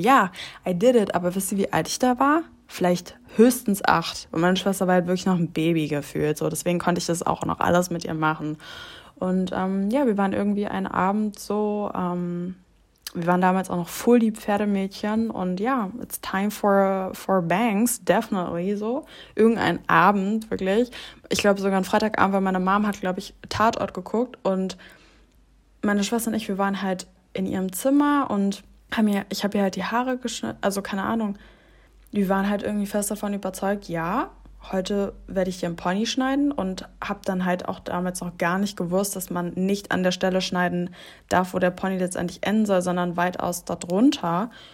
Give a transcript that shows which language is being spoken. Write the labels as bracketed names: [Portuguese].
[German] Ja, [English] I did it. [German] Aber wisst ihr, wie alt ich da war? Vielleicht höchstens 8. Und meine Schwester war halt wirklich noch ein Baby gefühlt. So, deswegen konnte ich das auch noch alles mit ihr machen. Und ja, wir waren irgendwie einen Abend so. Wir waren damals auch noch voll die Pferdemädchen. Und ja, [English] it's time for bangs, definitely so. [German] Irgendein Abend, wirklich. Ich glaube, sogar ein Freitagabend, weil meine Mom hat, glaube ich, Tatort geguckt. Und meine Schwester und ich, wir waren halt in ihrem Zimmer und ich habe ja halt die Haare geschnitten, also keine Ahnung. Wir waren halt irgendwie fest davon überzeugt, ja, heute werde ich dir einen Pony schneiden und habe dann halt auch damals noch gar nicht gewusst, dass man nicht an der Stelle schneiden darf, wo der Pony letztendlich enden soll, sondern weitaus darunter.